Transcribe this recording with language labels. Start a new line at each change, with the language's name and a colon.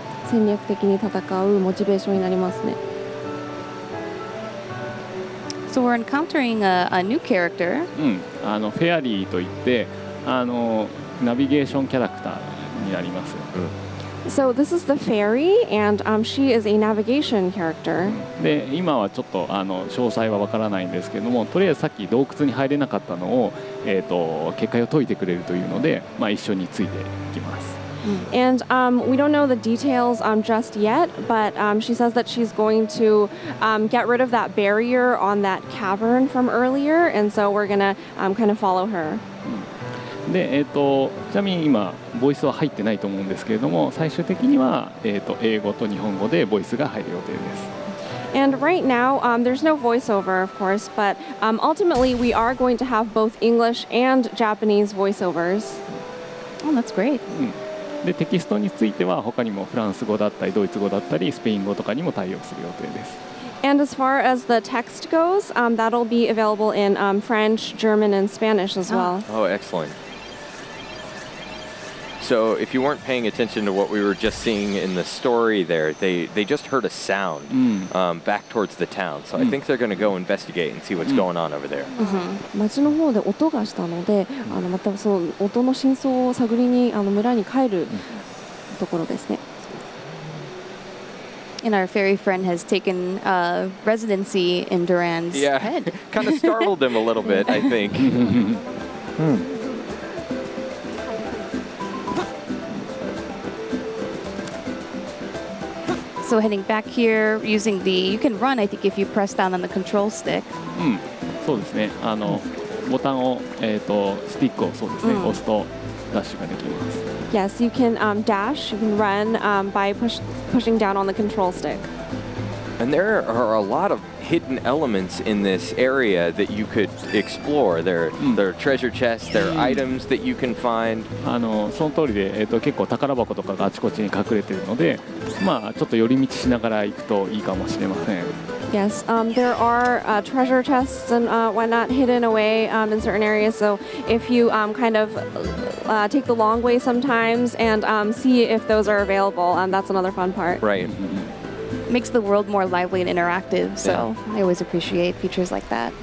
Japanese: 戦略的に戦うモチベーションになりますね。
English: So we're encountering a new character.
Japanese: フェアリーといって、ナビゲーションキャラクターになります。
English: So this is the fairy, and she is a navigation character.
Japanese: で、今はちょっと詳細はわからないんですけども、とりあえずさっき洞窟に入れなかったのを、結界を解いてくれるというので、まあ、一緒についていきます。
English: And we don't know the details just yet, but she says that she's going to get rid of that barrier on that cavern from earlier, and so we're gonna kind of follow her.
Japanese: で、ちなみに今ボイスは入ってないと思うんですけれども、最終的には、英語と日本語でボイスが入る予定です。
English: And right now, there's no voiceover, of course, but ultimately we are going to have both English and Japanese voiceovers. Oh, that's great.
Japanese: で、テキストについては他にもフランス語だったりドイツ語だったりスペイン語とかにも対応する予定です。
English: And as far as the text goes, that'll be available in French, German, and Spanish as well. Oh, excellent. So if you weren't paying attention to what we were just seeing in the story there, they just heard a sound back towards the town. So I think they're going to go investigate and see what's going on over there.
Japanese: 街の方で音がしたので、またその音の真相を探りに村に帰るところですね。
English: And our fairy friend has taken residency in Duran's head. kind of startled him a little bit, I think. So heading back here, using the... You can run, I think, if you press down on the control stick.
Japanese: そうですね。ボタンを、スティックをそうですね、押すとダッシュができます。
English: Yes, you can dash, you can run by pushing down on the control stick. And there are a lot of hidden elements in this area that you could explore. There are treasure chests, there are items that you can find.
Japanese: その通りで、結構宝箱とかがあちこちに隠れているので、まあ、ちょっと寄り道しながら行くといいかもしれません。
English: Yes, there are treasure chests and whatnot hidden away in certain areas. So if you take the long way sometimes and see if those are available, that's another fun part. Right. Makes the world more lively and interactive. So I always appreciate features like that.